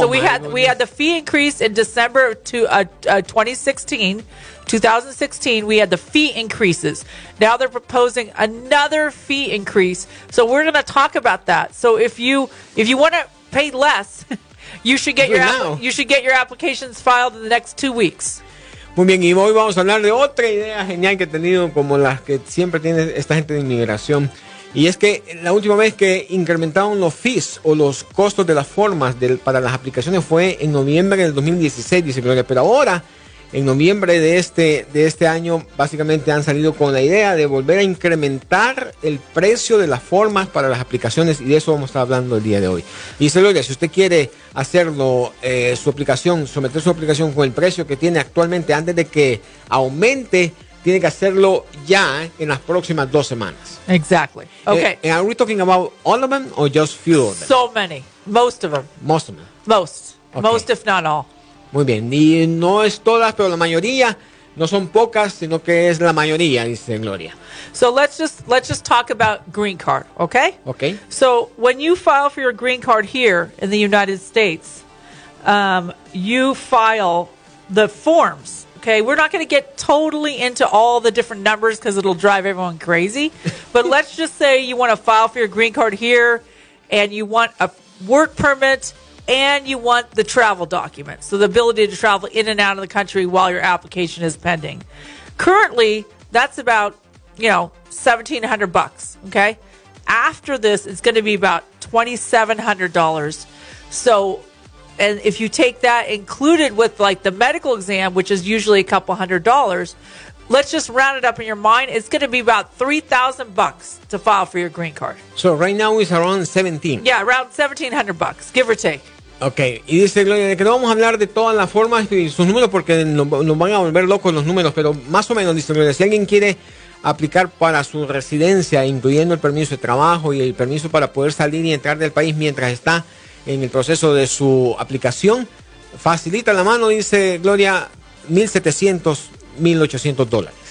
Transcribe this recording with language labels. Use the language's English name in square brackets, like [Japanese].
[English] so we had the fee increase in December of 2016, we had the fee increases. Now they're proposing another fee increase, so we're going to talk about that. So if you want to pay less... You should get your applications filed in the next 2 weeks. [Spanish] Muy bien, y hoy vamos a hablar de otra idea genial que he tenido, como las que siempre tiene esta gente de inmigración. Y es que la última vez que incrementaron los fees o los costos de las formas para las aplicaciones fue en noviembre del 2016, dice Gloria. Pero ahora, en noviembre de este año, básicamente han salido con la idea de volver a incrementar el precio de las formas para las aplicaciones. Y de eso vamos a estar hablando el día de hoy. Dice Gloria, si usted quiere hacerlo, someter su aplicación con el precio que tiene actualmente antes de que aumente, tiene que hacerlo ya en las próximas 2 semanas. [English] Exactly. Okay. And are we talking about all of them or just few of them? So many. Most of them. Most of them. Most. Okay. Most if not all. [Spanish] Muy bien. Y no es todas, pero la mayoría. No son pocas, sino que es la mayoría, dice Gloria. [English] So let's just talk about green card, okay? Okay. So when you file for your green card here in the United States, you file the forms. Okay, we're not going to get totally into all the different numbers because it'll drive everyone crazy. But let's just say you want to file for your green card here, and you want a work permit, and you want the travel document. So the ability to travel in and out of the country while your application is pending. Currently, that's about, you know, $1,700. Okay, after this, it's going to be about $2,700. So, and if you take that included with like the medical exam, which is usually a couple hundred dollars, let's just round it up in your mind. It's going to be about $3,000 to file for your green card. So right now it's around 17. Yeah, around $1,700, give or take. Okay. [Spanish] Y dice Gloria, de que no vamos a hablar de todas las formas y sus números porque nos van a volver locos los números, pero más o menos, dice Gloria, si alguien quiere aplicar para su residencia, incluyendo el permiso de trabajo y el permiso para poder salir y entrar del país mientras está en el proceso de su aplicación, facilita la mano, dice Gloria, $1,700, $1,800.